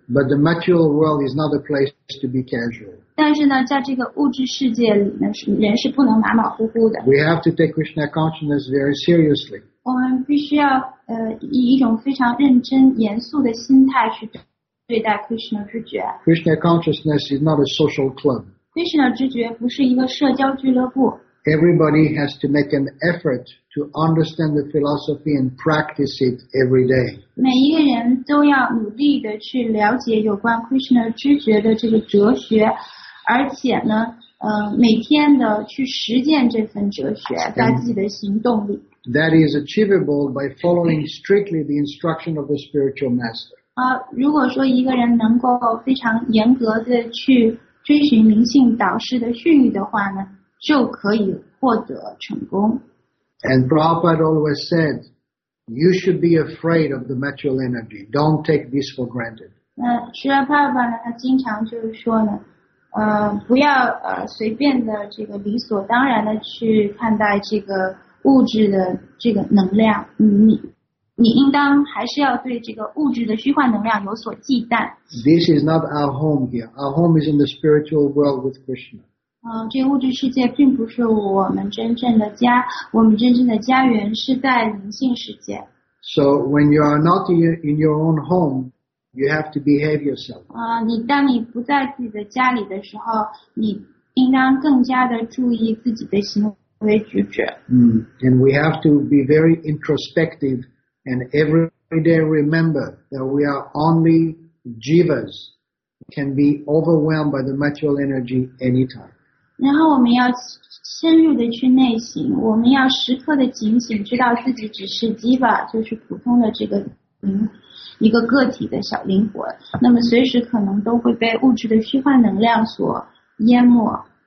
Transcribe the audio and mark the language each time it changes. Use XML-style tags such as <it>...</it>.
<en>But the material world is not a place to be casual.</en> <zh>但是呢，在这个物质世界里呢，人是不能马马虎虎的。</zh> <en>We have to take Krishna consciousness very seriously.</en> <zh>我们必须要以一种非常认真严肃的心态去对待 Krishna 知觉。</zh> <en>Krishna consciousness is not a social club.</en> <zh>Krishna 知觉不是一个社交俱乐部。</zh> <en>Everybody has to make an effort to understand the philosophy and practice it every day.</en> <zh>每一个人都要努力的去了解有关 Krishna 知觉的这个哲学，而且呢，每天的去实践这份哲学，在自己的行动里。</zh> <en>That is achievable by following strictly the instruction of the spiritual master.</en> <zh>如果说一个人能够非常严格的去追寻灵性导师的训谕的话呢，就可以获得成功。</zh> <en>And Prabhupada always said, "You should be afraid of the material energy. Don't take this for granted."</en> <zh>那虽然爸爸呢，他经常就是说呢，不要随便的这个理所当然的去看待这个物质的这个能量。你应当还是要对这个物质的虚幻能量有所忌惮。</zh> <en>This is not our home here. Our home is in the spiritual world with Krishna.</en> <zh>这个物质世界并不是我们真正的家，我们真正的家园是在灵性世界。</zh> <en>So when you are not in your own home, you have to behave yourself.</en> <zh>你当你不在自己的家里的时候，你应当更加的注意自己的行为举止。</zh> <en>And we have to be very introspective. And every day remember that we are only jivas, can be overwhelmed by the material energy anytime.</en> <zh>然后我们要深入的去内省，我们要时刻的警醒，知道自己只是 jiva, 就是普通的这个一个个体的小灵魂，那么随时可能都会被物质的虚幻能量所淹没。</zh>